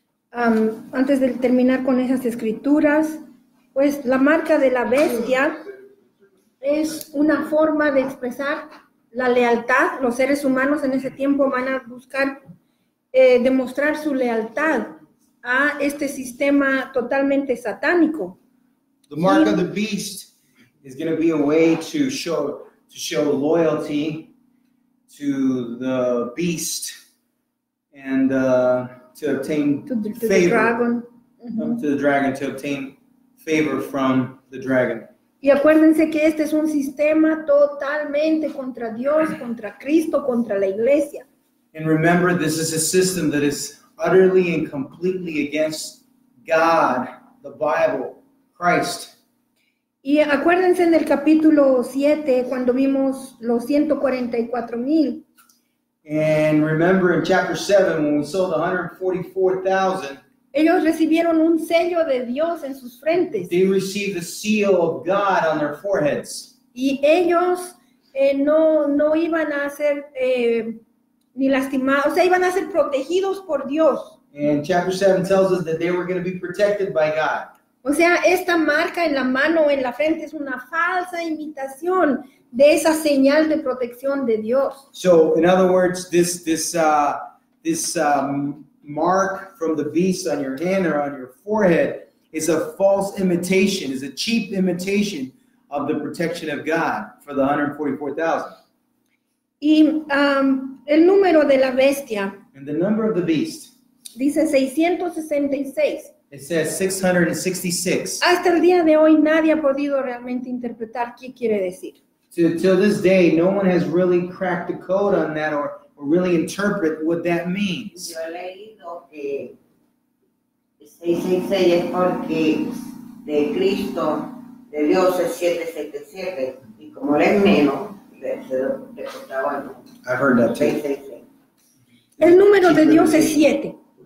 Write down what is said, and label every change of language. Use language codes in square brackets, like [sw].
[es] Antes de terminar con esas escrituras, pues la marca de la bestia es una forma de expresar la lealtad. Los seres humanos en ese tiempo van a buscar demostrar su lealtad a este sistema totalmente satánico. [en] The mark of the beast is going to be a way to show loyalty to the beast and to obtain favor. The dragon. Mm-hmm. To the dragon, to obtain favor from the dragon. [es] Y acuérdense que este es un sistema totalmente contra Dios, contra Cristo, contra la iglesia. [en] And remember, this is a system that is utterly and completely against God, the Bible, Christ. [es] Y acuérdense en el capítulo 7, cuando vimos los 144,000. [en] And remember in chapter 7, when we saw the 144,000. [es] Ellos recibieron un sello de Dios en sus frentes. [en] They received the seal of God on their foreheads. [es] Y ellos no iban a ser ni lastimados, o sea, iban a ser protegidos por Dios. [en] And chapter 7 tells us that they were going to be protected by God. [es] O sea, esta marca en la mano, en la frente, es una falsa imitación de esa señal de protección de Dios. [en] So, in other words, this mark from the beast on your hand or on your forehead is a false imitation, is a cheap imitation of the protection of God for the 144,000. [es] Y el número de la bestia. [en] And the number of the beast. [es] Dice 666. [en] It says 666. [es] Hasta el día de hoy nadie ha podido realmente interpretar qué quiere decir. [en] Till this day, no one has really cracked the code on that or really interpret what that means. [es] Yo he leído que 666 es porque de Cristo, de Dios, es 777. Y como él es menos, le contaba algo. [en] I've heard that too. [es] El número de Dios es 7.